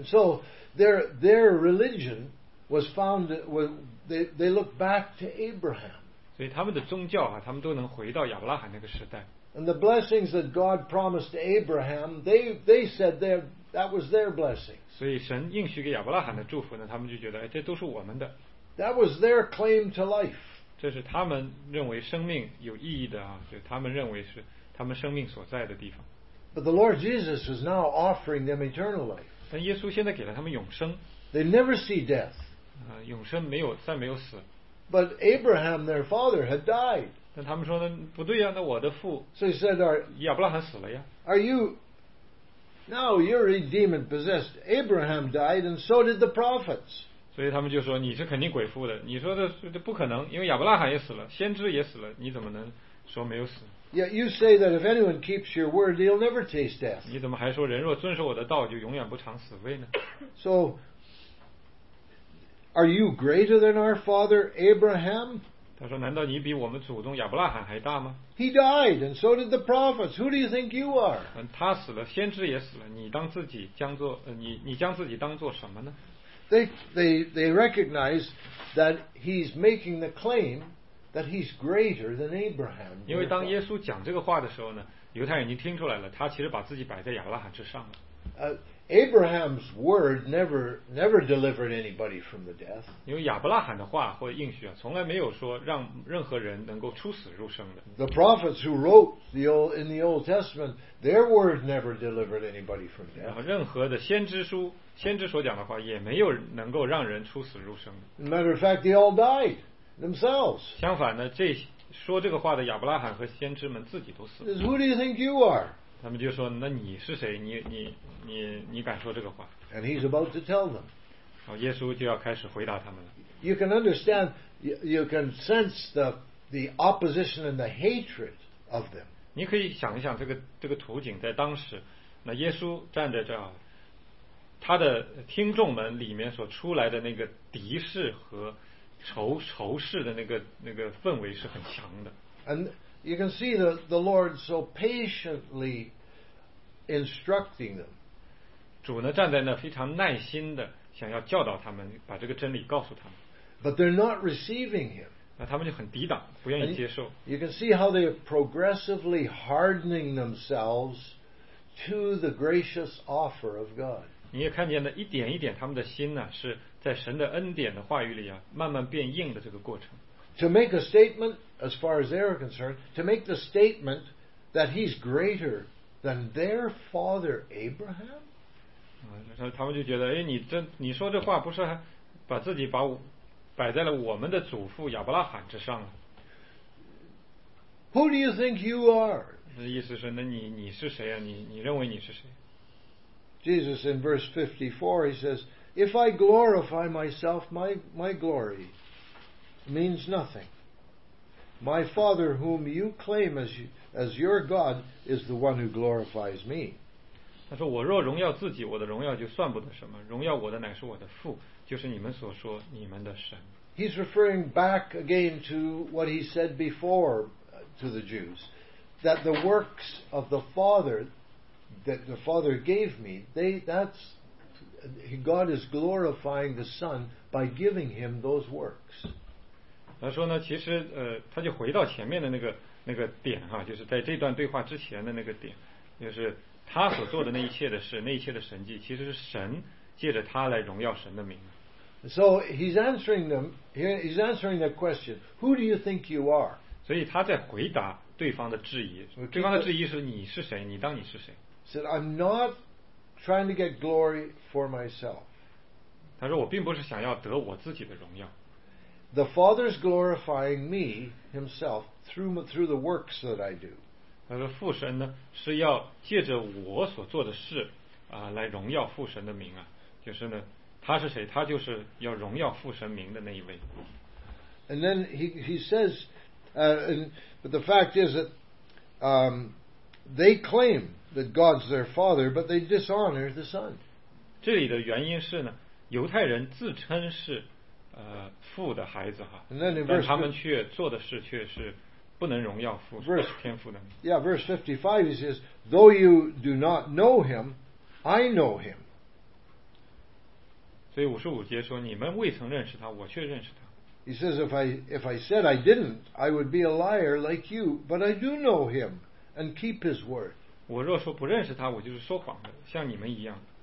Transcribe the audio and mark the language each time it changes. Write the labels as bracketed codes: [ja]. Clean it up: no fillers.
[en] And so their religion was founded, they look back to Abraham. [zh] 所以他们的宗教啊，他们都能回到亚伯拉罕那个时代。 [en] And the blessings that God promised Abraham, they said that was their blessing. [zh] 所以神应许给亚伯拉罕的祝福呢，他们就觉得，哎，这都是我们的。 [en] That was their claim to life. [zh] 这是他们认为生命有意义的啊，就他们认为是他们生命所在的地方。 [en] But the Lord Jesus is now offering them eternal life. [zh] 但耶稣现在给了他们永生。 [en] They never see death. [zh] 永生没有，再没有死。 [en] But Abraham, their father, had died. [zh] 但他们说呢，不对呀，那我的父。 [en] So he said, [zh] 亚伯拉罕死了呀。 [en] Are you? Now you're a demon possessed. Abraham died, and so did the prophets. [zh] 所以他们就说你是肯定鬼附的。你说的这不可能，因为亚伯拉罕也死了，先知也死了，你怎么能说没有死？ [en] Yet you say that if anyone keeps your word, he'll never taste death. [zh] 你怎么还说人若遵守我的道，就永远不尝死味呢？ [en] So, are you greater than our father Abraham? [zh] 他说，难道你比我们祖宗亚伯拉罕还大吗？ [en] He died, and so did the prophets. Who do you think you are? [zh] 他死了，先知也死了。你当自己将做，你将自己当做什么呢？ [en] They recognize that he's making the claim. That he's greater than Abraham. [zh] 因为当耶稣讲这个话的时候呢，犹太人已经听出来了，他其实把自己摆在亚伯拉罕之上了。 [en] Abraham's word never delivered anybody from the death. [zh] 因为亚伯拉罕的话或应许啊，从来没有说让任何人能够出死入生的。 [en] The prophets who wrote in the Old Testament, their word never delivered anybody from death. [zh] 然后任何的先知所讲的话，也没有能够让人出死入生的。 [en] Matter of fact, they all died. Themselves. [zh] 相反呢，这说这个话的亚伯拉罕和先知们自己都死了。 [en] Who do you think you are? [zh] 他们就说：“那你是谁？你敢说这个话？” [en] And he's about to tell them. [zh] 好，耶稣就要开始回答他们了。 [en] You can understand, you can sense the opposition and the hatred of them. [zh] 你可以想一想这个图景，在当时，那耶稣站在这儿，他的听众们里面所出来的那个敌视和。仇视的那个氛围是很强的。 [en] And you can see the Lord so patiently instructing them. [zh] 主呢站在那非常耐心的想要教导他们，把这个真理告诉他们。 [en] But they're not receiving him. [zh] 那他们就很抵挡，不愿意接受。 [en] And you can see how they're progressively hardening themselves to the gracious offer of God. [zh] 你也看见了一点一点，他们的心呢是。在神的恩典的话语里啊，慢慢变硬的这个过程。 [en] To make a statement, as far as they are concerned, to make the statement that he's greater than their father Abraham. [zh] 他们就觉得，哎，你说这话不是把自己摆在了我们的祖父亚伯拉罕之上了 [en] ？Who do you think you are? [zh] 那意思是，那你是谁啊？你认为你是谁 [en] ？Jesus in verse 54, he says. If I glorify myself, my glory means nothing. My Father, whom you claim as your God, is the one who glorifies me. [zh] 他说：“我若荣耀自己，我的荣耀就算不得什么。荣耀我的乃是我的父，就是你们所说你们的神。” [en] He's referring back again to what he said before to the Jews, that the works of the Father that the Father gave me, that's. God is glorifying the Son by giving him those works. [zh] 他说呢，其实他就回到前面的那个点哈，就是在这段对话之前的那个点，就是他所做的那一切的事，那一切的神迹，其实是神借着他来荣耀神的名。 [en] So he's answering them. He's answering their question. Who do you think you are? [zh] 所以他在回答对方的质疑。对方的质疑是你是谁？你当你是谁 [en] ？Said I'm not. Trying to get glory for myself. [zh] 他说我并不是想要得我自己的荣耀。 [en] The Father's glorifying me himself through the works that I do. [zh] 他说父神呢是要借着我所做的事来荣耀父神的名啊，就是呢他是谁？他就是要荣耀父神名的那一位。 [en] And then he says, But the fact is that they claim that God's their father, but they dishonor the Son. [zh] 这里的原因是呢，犹太人自称是父的孩子哈，但他们却做的事却是不能荣耀父， [en] verse, [zh] 天父的。 [en] Yeah, verse 55, he says, though you do not know him, I know him. [zh] 所以五十五节说，你们未曾认识他，我却认识他。 [en] He says, if I said I didn't, I would be a liar like you, but I do know him and keep his word. [zh] 我若说不认识他，我就是说谎的，像你们一样。